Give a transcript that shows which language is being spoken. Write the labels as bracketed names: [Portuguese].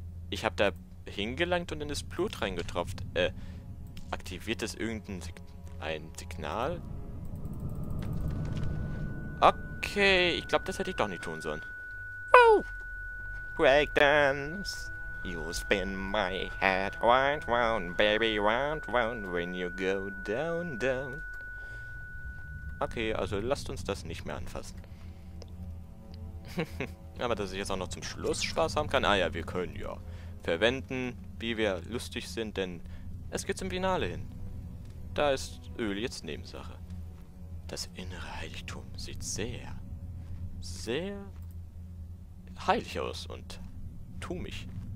[German] Ich hab da hingelangt und in das Blut reingetropft. Aktiviert das irgendein Signal? Okay, ich glaube, das hätte ich doch nicht tun sollen. Oh! Breakdance! [English] You spin my head right round, baby, right round, when you go down, down. [German] Okay, also lasst uns das nicht mehr anfassen. Aber dass ich jetzt auch noch zum Schluss Spaß haben kann. Ah ja, wir können ja verwenden, wie wir lustig sind, denn es geht zum Finale hin. Da ist Öl jetzt Nebensache. Das innere Heiligtum sieht sehr, sehr heilig aus und tumig.